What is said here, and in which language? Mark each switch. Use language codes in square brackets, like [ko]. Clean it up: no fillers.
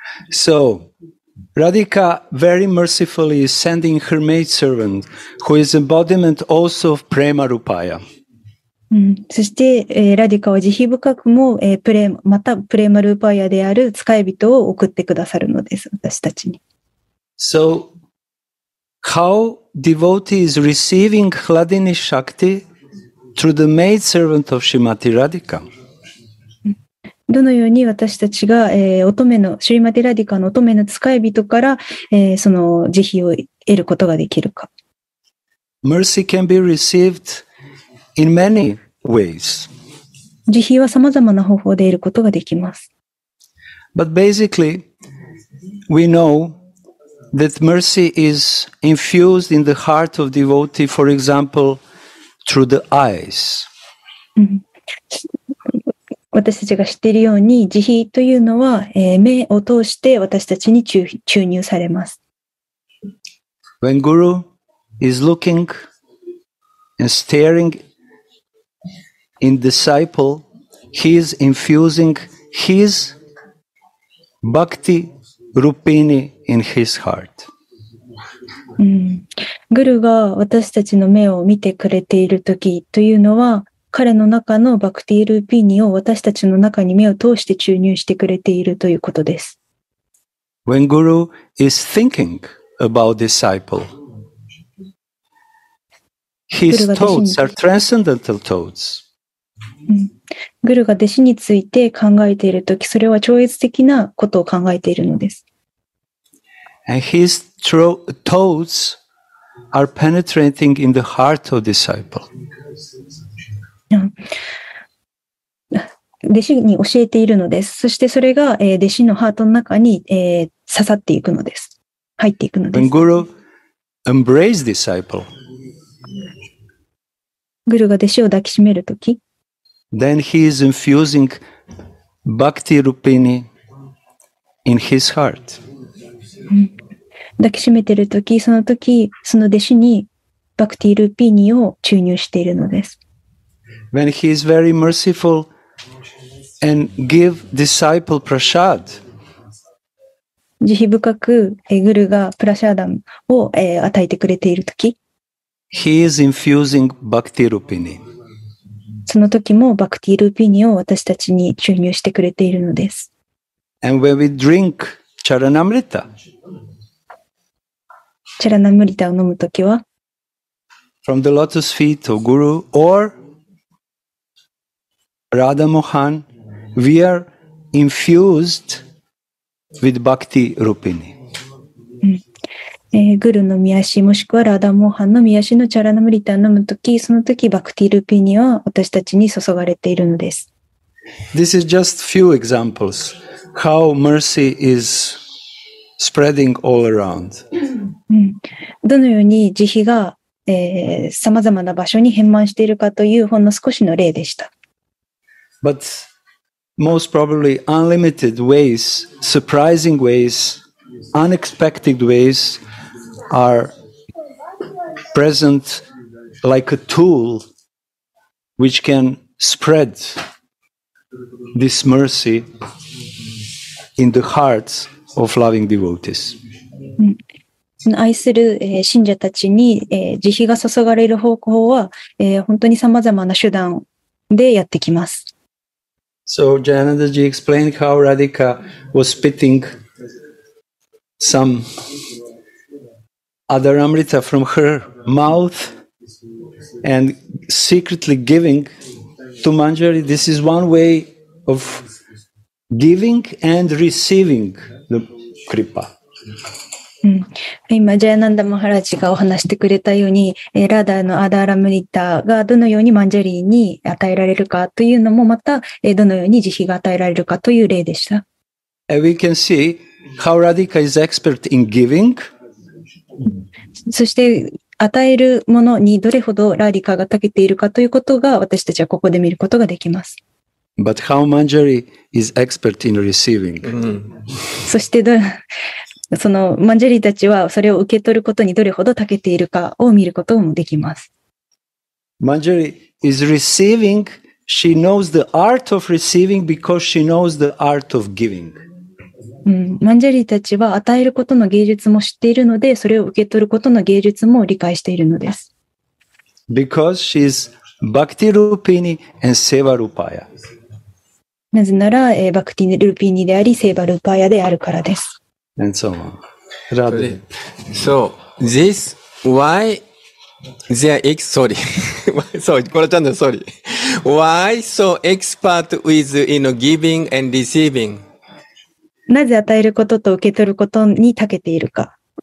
[en] So, Radhika very mercifully is sending her maid servant, who is embodiment also of Prema Rupaya.、 [ja] うん、そして、ラディカは慈悲深くも、またプレマルパヤである使い人を送ってくださるのです、私たちに。 [en] So, how devotee is receiving Hladini Shakti through the maid servant of Shrimati Radhika? [ja] どのように私たちが、乙女のシュリマティラディカの乙女の使い人から、その慈悲を得ることができるか。 [en] Mercy can be received in many ways. [ja] 慈悲はさまざまな方法で得ることができます。 [en] But basically, we know that mercy is infused in the heart of devotee, for example, through the eyes. [ja] 私たちが知っているように、慈悲というのは、目を通して私たちに注入されます。 [en] When Guru is looking and staring in disciple, he is infusing his bhakti rupini in his heart. [ja] グルが私たちの目を見てくれているときというのは、彼の中のバクティールーピーニを私たちの中に目を通して注入してくれているということです。 [en] When Guru is thinking about disciple, his thoughts are transcendental thoughts. [ja] グルが弟子について考えているとき、それは超越的なことを考えているのです。 [en] And his thoughts are penetrating in the heart of disciple. [ja] 弟子に教えているのです。そしてそれが弟子のハートの中に刺さっていくのです。入っていくのです。 [en] When Guru embraces disciple, [ja] グルが弟子を抱きしめるとき、 [en] Then he is infusing bhakti rupini in his heart. [ja] 抱きしめているとき、そのとき、その弟子にバクティルピーニを注入しているのです。 [en] When he is very merciful and give disciple prashad, [ja] 慈悲深くグルがプラシャーダムを与えてくれているとき、 [en] he is infusing bhakti rupini. [ja] その時もバクティルピーニを私たちに注入してくれているのです。 [en] And when we drink charanamrita, [ja] チャラナムリタを飲むときは、 [en] from the lotus feet of Guru or Radha Mohan, we are infused with bhakti rupini. [ja] グルの御足もしくはラダモハンの御足のチャラナムリタを飲むとき、そのときバクティルピニは私たちに注がれているのです。 [en] This is just few examples how mercy is spreading all around. [ja] どのように慈悲が、さまざまな場所に遍満しているかというほんの少しの例でした。 [en] But most probably unlimited ways, surprising ways, unexpected ways. Are present like a tool which can spread this mercy in the hearts of loving devotees. [ja] 愛する信者たちに慈悲が注がれる方法は本当にさまざまな手段でやってきます。 [en] So Jayananda ji explained how Radhika was spitting some. Other Amrita from her mouth and secretly giving to Manjari. This is one way of giving and receiving the kripa. [ja] 今ジャヤナンダマハラジがお話してくれたように、ラダのアダーラムリタがどのようにマンジャリに与えられるかというのも、またどのように慈悲が与えられるかという例でした。 [en] We can see how Radhika is expert in giving. [ja] そして与えるものにどれほどラディカが長けているかということが私たちはここで見ることができます。 [en] But how Manjari is expert in receiving?、Mm. [ja] そしてそのマンジャリたちはそれを受け取ることにどれほど長けているかを見ることもできます。 [en] Manjari is receiving, she knows the art of receiving because she knows the art of giving. [ja] マンジャリーたちは与えることの芸術も知っているので、それを受け取ることの芸術も理解しているのです。 [en] Because she is Bhakti Rupini and Seva Rupaya. [ja] なぜなら、Bhakti Rupini であり、Seva Rupaya であるからです。 [en] And so on. Radhe. So, this, why they are sorry. sorry, Gorachandra, sorry. Why so expert with, you know, giving and receiving? [ja] なぜ与えることと受け取ることに長けているか。